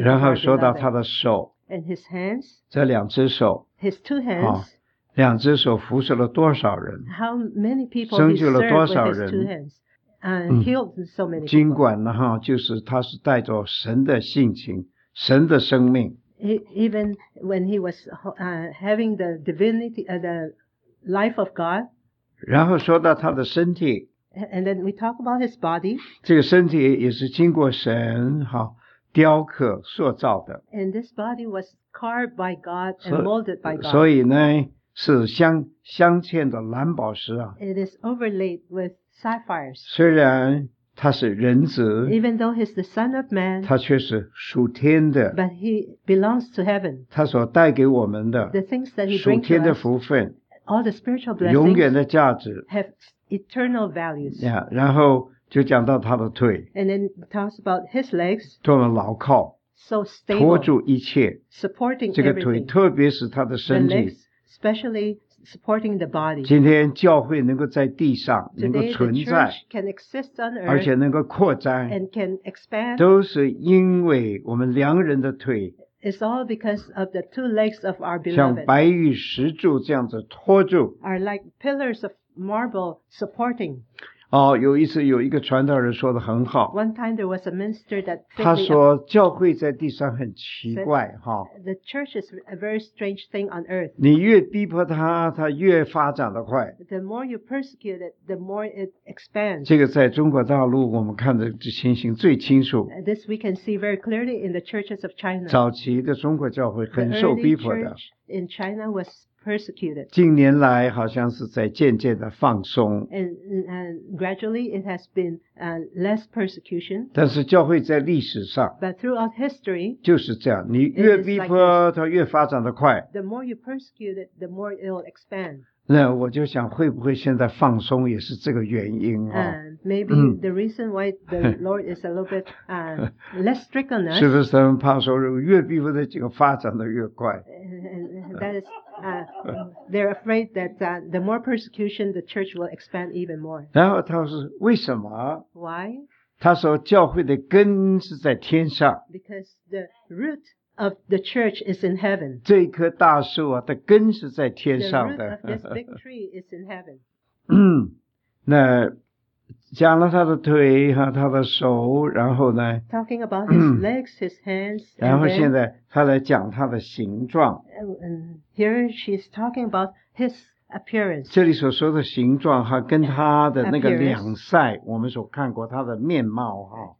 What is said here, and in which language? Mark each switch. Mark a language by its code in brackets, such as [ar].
[zh] 然后说到他的手。 [en] And his hands. [zh] 这两只手。 [en] His two hands. [zh] 两只手服侍了多少人。 [en] How many people he served with his two hands. Healed so many people. [zh] 尽管呢哈，就是他是带着神的性情，神的生命。 [en] Even when he was having the divinity, the life of God. [zh] 然后说到他的身体。 [en] And then we talk about his body. [zh] 这个身体也是经过神哈雕刻塑造的。 [en] And this body was carved by God and molded by God. [zh] 所以呢是镶嵌的蓝宝石啊。 [en] It is overlaid with sapphires. [zh] 虽然。他是人子 [en] Even though he's the son of man, [zh] 他却是属天的 [en] but he belongs to heaven. [zh] 他所带给我们的 [en] the things that he [zh] 属天的福分 [en] all the spiritual blessings [zh] 永远的价值 [en] have eternal values. [zh] Yeah, 然后就讲到他的腿 [en] and then talks about his legs [zh] 多么牢靠 [en] so stable, [zh] 托住一切 [en] supporting [zh] 这个腿 [en] everything, [zh] 特别是他的身体 [en] the legs, especially supporting the body. [zh] 今天教会能够在地上 [en] Today, [zh] 能够存在 [en] the church can exist on earth, [zh] 而且能够扩展 [en] and can expand, [zh] 都是因为我们良人的腿 [en] It's all because of the two legs of our beloved. [zh] 像白玉石柱这样子托住 [en] are like pillars of marble supporting. [zh] 哦，有一次有一个传道人说得很好 [en] One time there was a minister that [zh] 他说教会在地上很奇怪 [en] The church is a very strange thing on earth [zh] 你越逼迫他他越发展得快 [en] The more you persecute it the more it expands [zh] 这个在中国大陆我们看的情形最清楚 [en] This we can see very clearly in the churches of China [zh] 早期的中国教会很受逼迫的 [en] The early church in China was persecuted. [zh] 近年来好像是在渐渐的放松。 [en] And gradually it has been less persecution. [zh] 但是教会在历史上。 [en] But throughout history. [zh] 就是这样，你越逼迫它越发展的快。 [en] The more you persecute it, the more it will expand. [zh] 那我就想会不会现在放松也是这个原因啊。 [en] Maybe the reason why the Lord is a little bit less strict on us. [zh] 是不是他们怕说越逼迫的这个发展的越快。 [en] That is, they're afraid that the more persecution, the church will expand even more. [zh] 然后他说为什么？ [en] Why? [zh] 他说教会的根是在天上。 [en] Because the root of the church is in heaven. [zh] 这一棵大树啊，它根是在天上的。 [en] The root of this big tree is in heaven. [zh] 那讲了他的腿和他的手，然后呢？ [en] Talking about his legs, his hands. [zh] 然后现在他来讲他的形状。 [en] Here she's talking about his appearance. [zh] 这里所说的形状哈，跟他的那个两腮，我们所看过他的面貌哈。